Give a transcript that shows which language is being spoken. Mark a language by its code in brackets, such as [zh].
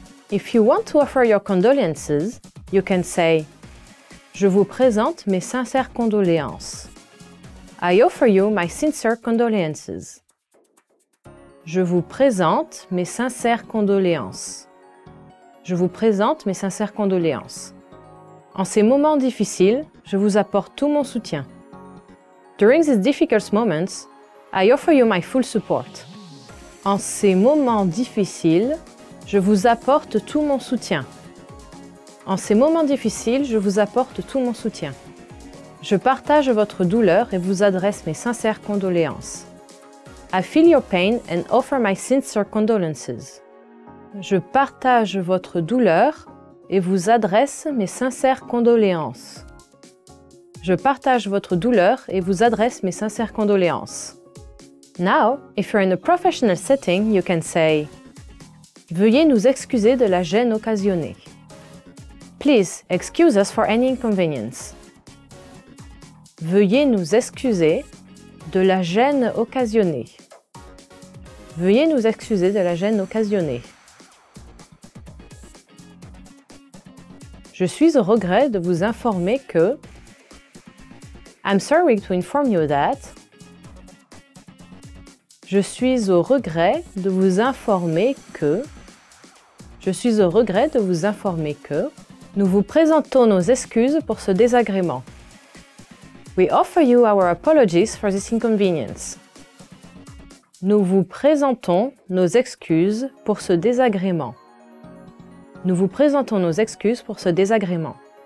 [en] If you want to offer your condolences, you can say, [fr] je vous présente mes sincères condoléances. [en] I offer you my sincere condolences. [fr] Je vous présente mes sincères condoléances. Je vous présente mes sincères condoléances. En ces moments difficiles, je vous apporte tout mon soutien. [en] During these difficult moments, I offer you my full support. [fr] En ces moments difficiles, je vous apporte tout mon soutien. En ces moments difficiles, je vous apporte tout mon soutien. Je partage votre douleur et vous adresse mes sincères condoléances. [en] I feel your pain and offer my sincere condolences. [fr] Je partage votre douleur et vous adresse mes sincères condoléances. Je partage votre douleur et vous adresse mes sincères condoléances. [en] Now, if you're in a professional setting, you can say, [fr] veuillez nous excuser de la gêne occasionnée. [en] Please excuse us for any inconvenience. [fr] Veuillez nous excuser de la gêne occasionnée. Veuillez nous excuser de la gêne occasionnée. Je suis au regret de vous informer que [en] I'm sorry to inform you that. [fr] Je suis au regret de vous informer que. Je suis au regret de vous informer que. Nous vous présentons nos excuses pour ce désagrément. [en] We offer you our apologies for this inconvenience. [fr] Nous vous présentons nos excuses pour ce désagrément. Nous vous présentons nos excuses pour ce désagrément.